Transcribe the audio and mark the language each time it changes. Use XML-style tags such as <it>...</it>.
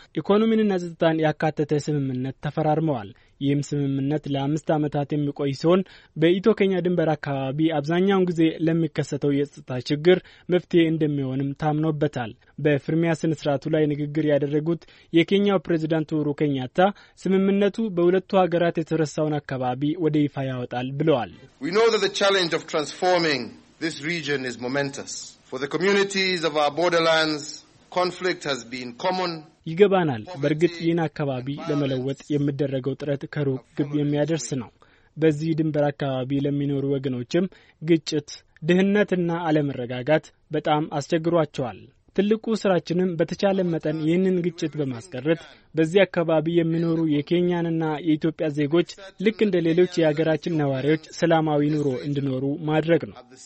<am>ኢኮኖሚንና ጸጥታን ያካተተ ስምምነት ተፈራርመዋል። ይህም ስምምነት ለአምስት ዓመታት የሚቆይ ሲሆን በኢትዮ ኬንያ ድንበር አካባቢ አብዛኛውን ጊዜ ለሚከሰተው የጸጥታ ችግር መፍትሄ እንደሚሆንም ታምኖበታል። በፍርሚያ ስነ ስርዓቱ ላይ ንግግር ያደረጉት የኬንያው ፕሬዚዳንት ኡሁሩ ኬንያታ ስምምነቱ በሁለቱ ሀገራት የተረሳውን አካባቢ ወደ ይፋ ያወጣል ብለዋል።</am> <en>We know that the challenge of transforming this region is momentous. For the communities of our borderlands, conflict has been common.</en> <am>ይገባናል። በርግጥ ይህን አካባቢ ለመለወጥ የሚደረገው ጥረት ከሩቅ ግብ የሚያደርስ ነው። በዚህ ድንበር አካባቢ ለሚኖሩ ወገኖችም ግጭት፣ ድህነትና አለመረጋጋት በጣም አስቸግሯቸዋል። ትልቁ ስራችንም በተቻለ መጠን ይህንን ግጭት በማስቀረት በዚህ አካባቢ የሚኖሩ የኬንያንና የኢትዮጵያ ዜጎች ልክ እንደ ሌሎች የሀገራችን ነዋሪዎች ሰላማዊ ኑሮ እንዲኖሩ ማድረግ ነው።</am>